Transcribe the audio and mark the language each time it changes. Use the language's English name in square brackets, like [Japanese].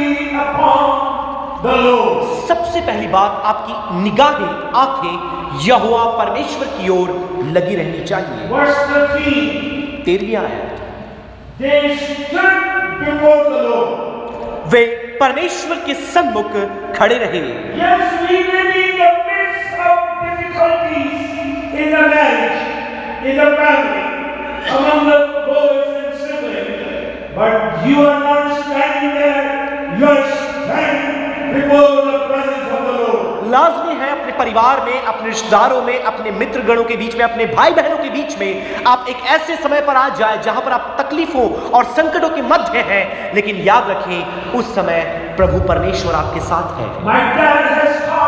[Hindi] सबसे पहली बात, आपकी निगाहें आंखें यहोवा परमेश्वर की ओर लगी रहनी चाहिए। 13वीं आयत, वे परमेश्वर के सम्मुख खड़े रहे। [English] Yes, we may be in the midst of difficulties in the marriage, in the family, among the boys and siblings, but you are not standing there, you are standing before the presence of the Lord. [Hindi] लाजमी है अपने परिवार में, अपने रिश्तेदारों में, अपने मित्रगणों के बीच में, अपने भाई बहनों के बीच में आप एक ऐसे समय पर आ जाए जहां पर आप तकलीफों और संकटों के मध्य हैं, लेकिन याद रखें उस समय प्रभु परमेश्वर आपके साथ है।